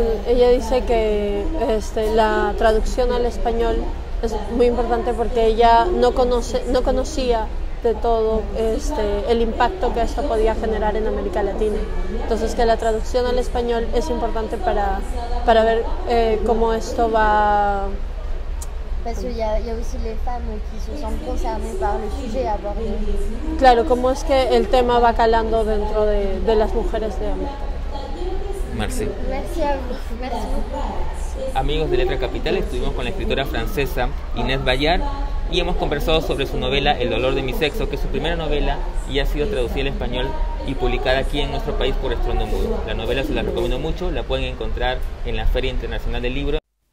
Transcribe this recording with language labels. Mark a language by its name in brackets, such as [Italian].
[Spanish] Ella dice que la traducción al español es muy importante porque ella no conocía de todo el impacto que esto podía generar en América Latina. Entonces que la traducción al español es importante para ver cómo esto va [French] Parce qu'il y a aussi les femmes qui se sentent concernées par le sujet abordé. [Spanish] Claro, ¿cómo es que el tema va calando dentro de las mujeres de hoy? [French] Merci. Merci a vous. Merci beaucoup. [Spanish] Amigos de Letra Capital, estuvimos con la escritora francesa Inés Bayard y hemos conversado sobre su novela El dolor de mi sexo, que es su primera novela y ha sido traducida al español y publicada aquí en nuestro país por Estruendo Mudo. La novela se la recomiendo mucho, la pueden encontrar en la Feria Internacional del Libro.